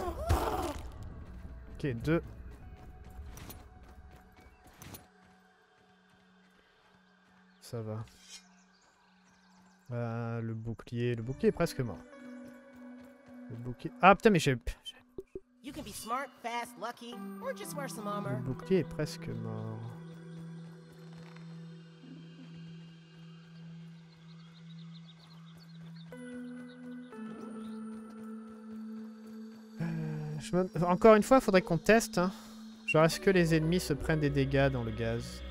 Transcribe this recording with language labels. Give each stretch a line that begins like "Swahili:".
French: Ok, 2. Ça va. Le bouclier est presque mort. Ah putain, mais j'ai...
English: You can be smart, fast, lucky, or just wear some armor.
French: Le bouclier est presque mort. Encore une fois, faudrait qu'on teste. Hein. Genre, est-ce que les ennemis se prennent des dégâts dans le gaz?